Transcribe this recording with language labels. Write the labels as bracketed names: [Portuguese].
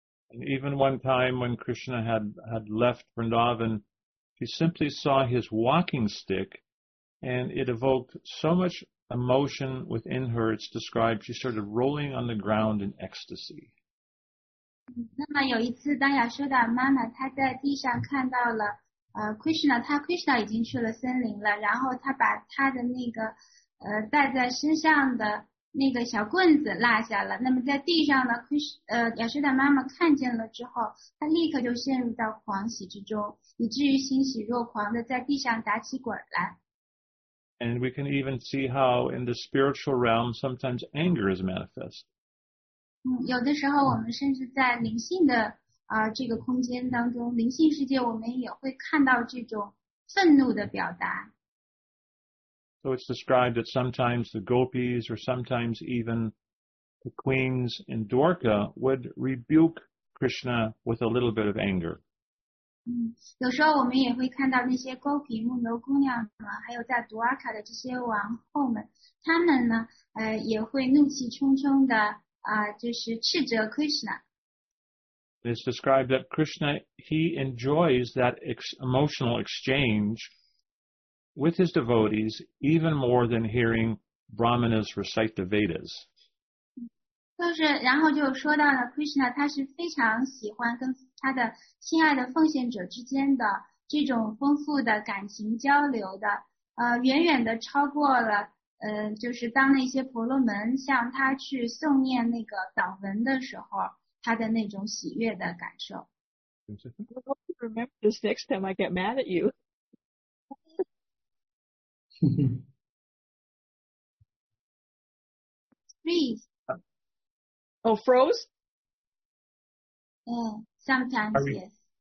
[English] And even one time when Krishna had left Vrindavan, he simply saw his walking stick, and it evoked so much emotion within her. It's described she started rolling on the ground in ecstasy. [Chinese] 那么有一次当亚修达妈妈她在地上看到了Krishna, 她 Krishna 已经去了森林了，然后她把她的那个带在身上的那个小棍子落下了，那么在地上呢亚修达妈妈看见了之后，她立刻就陷入到狂喜之中，以至于欣喜若狂的在地上打起滚来。 [English] And we can even see how in the spiritual realm sometimes anger is manifest. [Chinese] 有的时候我们甚至在灵性的这个空间当中，灵性世界我们也会看到这种愤怒的表达。 [English] So it's described that sometimes the gopis or sometimes even the queens in Dwarka would rebuke Krishna with a little bit of anger. [Chinese] 有时候我们也会看到那些 gopi 牧牛姑娘们，还有在 Dwarka 的这些王后们，他们呢也会怒气冲冲的就是斥责 Krishna. [English] It's described that Krishna, he enjoys that emotional exchange with his devotees even more than hearing Brahmanas recite the Vedas. [Chinese] 就是然后就说到了 Krishna, 他是非常喜欢跟他的亲爱的奉献者之间的这种丰富的感情交流的远远的超过了就是当那些婆罗门向他去诵念那个祷文的时候，他的那种喜悦的感受。 [English] Remember this next time I get mad at you. Mm-hmm. freeze. Oh, froze? Sometimes, yes.